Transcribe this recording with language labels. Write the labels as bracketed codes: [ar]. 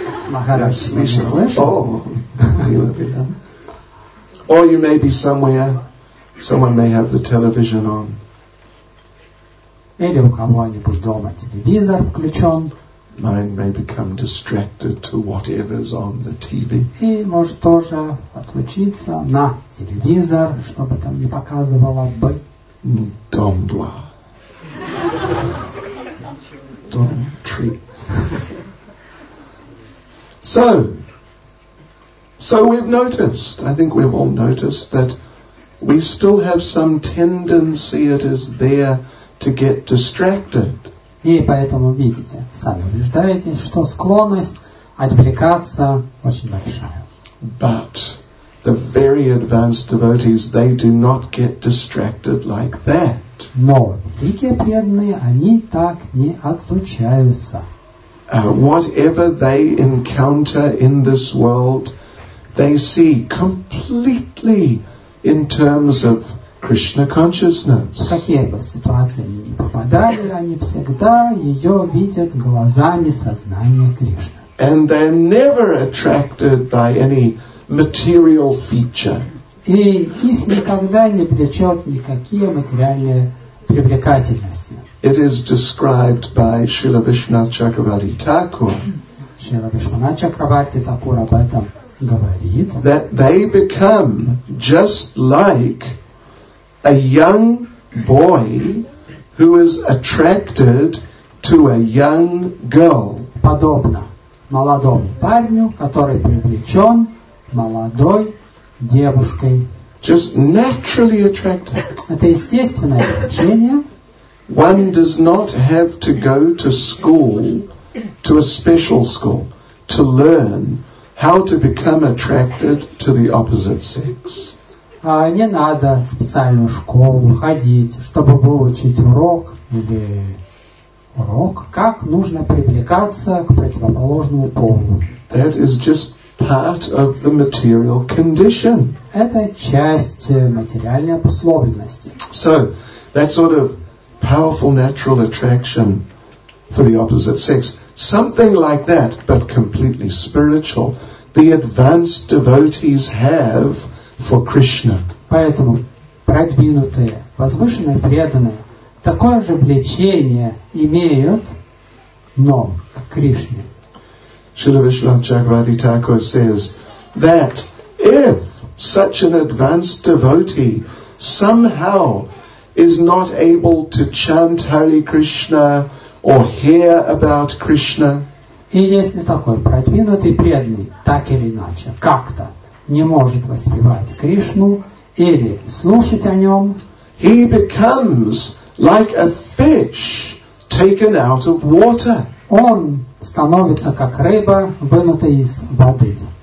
[en] Or you may be somewhere, someone may have the television on. [ru] Или у кого-нибудь дома телевизор включен. [en] Mind may become distracted to whatever's on the TV. [ru] И может тоже отключиться на телевизор, чтобы там не показывало бы. Дом два. Дом три. [en] So we've noticed, I think we've all noticed, that we still have some tendency, it is there, to get distracted. [ru] И поэтому, видите, сами убеждаетесь, что склонность отвлекаться очень большая. [en] But the very advanced devotees, they do not get distracted like that. [ru] Но великие преданные, они так не отлучаются. [en] Whatever they encounter in this world, they see completely in terms of Krishna consciousness. [ru] Какие бы ситуации ни попадали, они всегда ее видят глазами сознания Кришны. [en] And they're never attracted by any material feature. [ru] И их никогда не влечет никакие материальные привлекательности. [en] It is described by Srila Vishwanatha Chakravarti Thakur. [ru] Srila Vishwanatha Chakravarti Thakur об этом говорит. [en] That they become just like a young boy who is attracted to a young girl. [ru] Подобно молодому парню, который привлечен молодой девушкой. [en] Just naturally attracted. [ru] Это естественное влечение. [en] One does not have to go to school, to a special school, to learn how to become attracted to the opposite sex. [ru] Не надо в специальную школу ходить, чтобы выучить урок или урок, как нужно привлекаться к противоположному полу. [en] That is just part of the material condition. [ru] Это часть материальной обусловленности. [en] So, that sort of powerful natural attraction for the opposite sex, something like that, but completely spiritual, the advanced devotees have for Krishna. [ru] Поэтому продвинутые, возвышенные преданные такое же влечение имеют, но к Кришне. [en] Śrīla Viśvanātha Chakravarti Thakura says that if such an advanced devotee somehow is not able to chant Hare Krishna or hear about Krishna, [ru] и если такой продвинутый преданный так или иначе как-то не может воспевать Кришну или слушать о нем, [en] he becomes like a fish taken out of water. [ru] Он становится как рыба, вынутая из воды.